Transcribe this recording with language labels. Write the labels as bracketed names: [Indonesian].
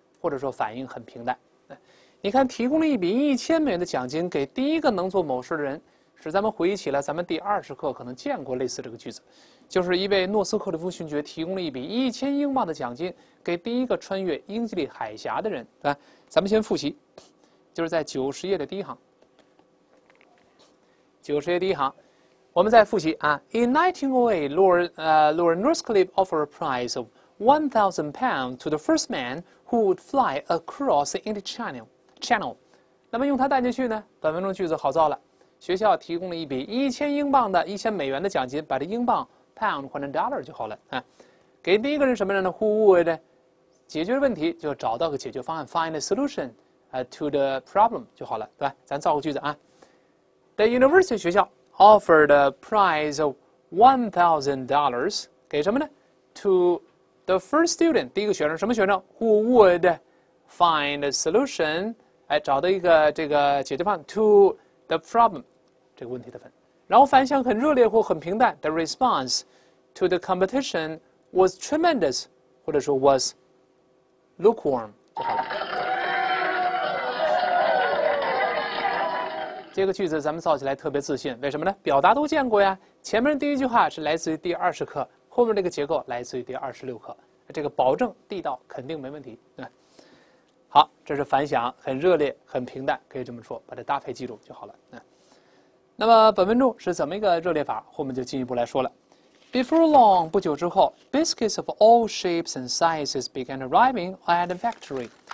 [Chinese] 或者说反应很平淡，你看，提供了一笔1000美元的奖金给第一个能做某事的人，使咱们回忆起了咱们第20课可能见过类似这个句子，就是一位诺斯克里夫勋爵提供了一笔1000英镑的奖金给第一个穿越英吉利海峡的人，对吧？咱们先复习，就是在90页的第一行，90页第一行，我们再复习啊。 [English] In 1908, Lord Northcliffe offered a prize of £1,000 to the first man who would fly across the English Channel。 [Chinese] 那么用它带进去呢？本文中句子好造了。学校提供了一笔1000英镑的1000美元的奖金，把这英镑 pound 换成 dollar 就好了啊。给第一个人什么人呢？ [English] Who would [Chinese] 解决问题，就找到个解决方案， [English] find a solution to the problem [Chinese] 就好了，对吧？咱造个句子啊。 [English] The university 学校 offered a prize of $1,000 [Chinese] 给什么呢？ [English] To The first student, [Chinese] 第一个学生，什么学生？ [English] Who would find a solution, [Chinese] 哎，找到一个这个解决方案 [English] to the problem, [Chinese] 这个问题的分。然后反响很热烈或很平淡。 [English] The response to the competition was tremendous, [Chinese] 或者说 [English] was lukewarm, [Chinese] 就好了。这个句子咱们造起来特别自信，为什么呢？表达都见过呀。前面第一句话是来自于第20课。后面这个结构来自于第26课，这个保证地道，肯定没问题，对。好，这是反响，很热烈，很平淡，可以这么说，把它搭配记住就好了。那么本文中是怎么一个热烈法，后面就进一步来说了。 [English] Before long, [Chinese] 不久之后， [English] biscuits of all shapes and sizes began arriving at the factory.